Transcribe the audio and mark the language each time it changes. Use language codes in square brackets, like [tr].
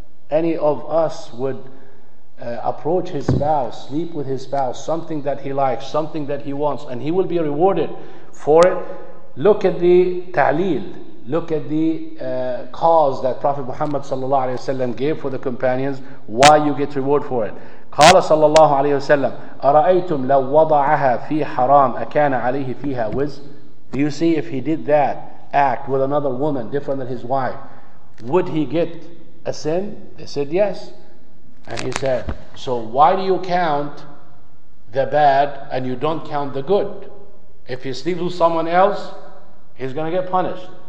[en] Any of us would approach his spouse, sleep with his spouse, something that he likes, something that he wants, and he will be rewarded for it. Look at the ta'leel, look at the cause that Prophet Muhammad sallallahu alayhi wa sallam gave for the companions, why you get reward for it. [ar] Qala sallallahu alayhi wa sallam, أَرَأَيْتُمْ لَوْ وَضَعَهَا فِي حَرَامٍ أَكَانَ عَلَيْهِ فِيهَا وِزْرٍ. [en] Do you see, if he did that act with another woman different than his wife, would he get a sin? They said yes. And he said, so why do you count the bad and you don't count the good? If he sleeps with someone else, he's going to get punished.